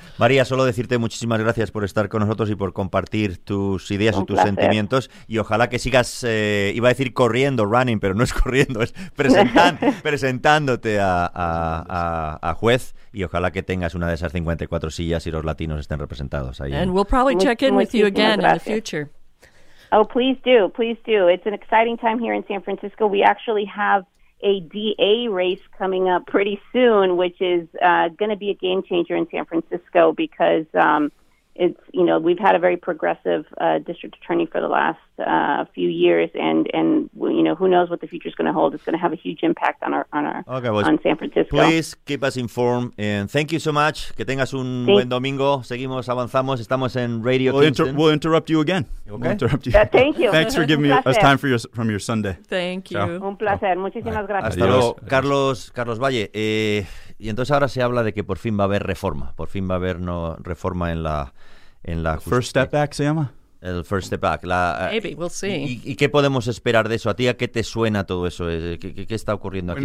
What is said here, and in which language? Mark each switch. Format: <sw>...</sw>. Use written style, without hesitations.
<es>María, solo decirte muchísimas gracias por estar con nosotros y por compartir tus ideas y tus sentimientos. Y ojalá que sigas, iba a decir corriendo, running, pero no es corriendo, es presentándote a juez. Y ojalá que tengas una de esas 54 sillas y los latinos estén representados ahí.</es> <en>And we'll probably check in with you again in the future. Oh, please do. It's an exciting time here in San Francisco. We actually have a DA race coming up pretty soon, which is going to be a game changer in San Francisco because it's, you know, we've had a very progressive district attorney for the last few years, and you know, who knows what the future is going to hold. It's going to have a huge impact on San Francisco. Please keep us informed, and thank you so much.</en> <es>Que tengas un buen domingo. Seguimos, avanzamos. Estamos en Radio Kingston.</es> <en>We'll interrupt you again. Okay. We'll interrupt you. Thank you. Thanks for giving me us time from your Sunday. Thank you. Ciao.</en> <es>Un placer. Muchísimas gracias. Hasta luego. Carlos Valle. Y entonces ahora se habla de que por fin va a haber reforma. Por fin va a haber reforma en la justicia. First Step Back se llama. El First Step Back.</es> <en>Maybe, we'll see.</en> <es>¿Y qué podemos esperar de eso? ¿A ti a qué te suena todo eso? ¿Qué está ocurriendo aquí?</es>